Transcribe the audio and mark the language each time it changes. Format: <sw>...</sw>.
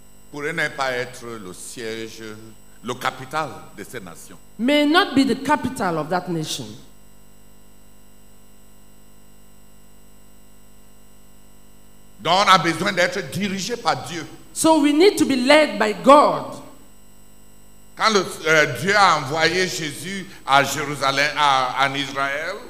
<fr>pourrait ne pas être le siège, le capital de cette nation.</fr> <en>May not be the capital of that nation.</en> <fr>Donc, on a besoin d'être dirigé par Dieu.</fr> <en>So we need to be led by God.</en> <fr>Quand Dieu a envoyé Jésus à Jérusalem, en Israël,</fr>